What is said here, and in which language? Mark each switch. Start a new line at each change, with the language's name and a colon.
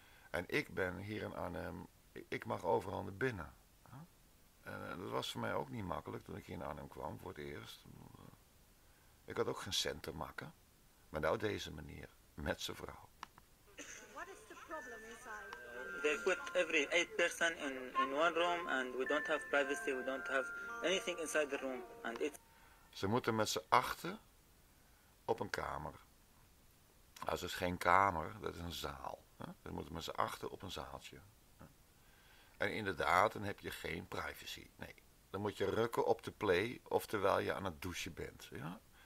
Dutch: En ik ben hier in Arnhem, ik mag overal naar binnen. En dat was voor mij ook niet makkelijk toen ik hier in Arnhem kwam voor het eerst. Ik had ook geen cent te maken. Maar nou deze manier, met zijn vrouw.
English: What is the problem inside? They put every 8 person in one room and we don't have privacy, we don't have anything inside the room. And
Dutch: ze moeten met z'n achten op een kamer. Dat is dus geen kamer, dat is een zaal. Dan dus moeten we ze achter op een zaaltje. En inderdaad, dan heb je geen privacy. Nee, dan moet je rukken op de play, of terwijl je aan het douchen bent. Ja?